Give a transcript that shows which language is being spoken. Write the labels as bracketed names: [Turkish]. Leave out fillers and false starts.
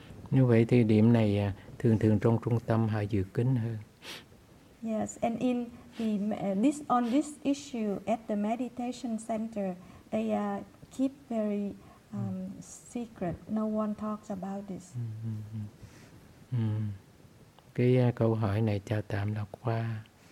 [Vietnamese] Như vậy thì điểm này thường thường trong trung tâm họ giữ kín hơn. [English] Yes, and in on this issue at the meditation center, they keep very secret. No one talks about this. [Vietnamese] Cái câu hỏi này cho tạm đọc qua.